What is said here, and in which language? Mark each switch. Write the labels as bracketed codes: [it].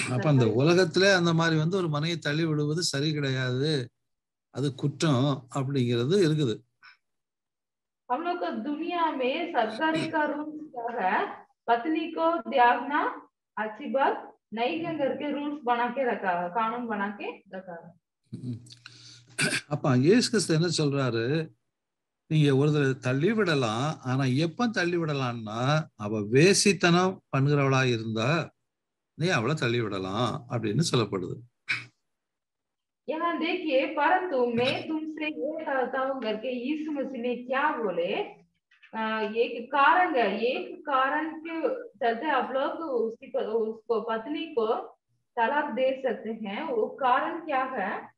[ta] அப்ப அந்த உலகத்துல அந்த மாதிரி வந்து ஒரு மனைவியை தள்ளி விடுவது சரி கிடையாது, அது குற்றம் அப்படிங்கிறது இருக்குது. [hi] हम लोग दुनिया में सरकारी का रूल्स है, पत्नी को त्यागना अच्छी बात नहीं है करके रूल्स बना के रखा है, कानून बना के रखा है. [ta] அப்ப இயேசு கிறிஸ்து என்ன சொல்றாரு, நீங்க ஒரு தடவை தள்ளி விடலாம், ஆனா எப்ப தள்ளி விடலாம்னா, அவ வேசித்தனம் பண்ணுகிறவளா இருந்தா நீ அவளை தள்ளி விடலாம் அப்படின்னு சொல்லப்படுது. [hi] यहाँ देखिए, परंतु मैं तुमसे ये कहता हूँ करके यीशु मसीह ने क्या बोले, एक कारण है, एक कारण के चलते आप लोग उसकी उसको पत्नी को तलाक दे सकते हैं. वो कारण क्या है,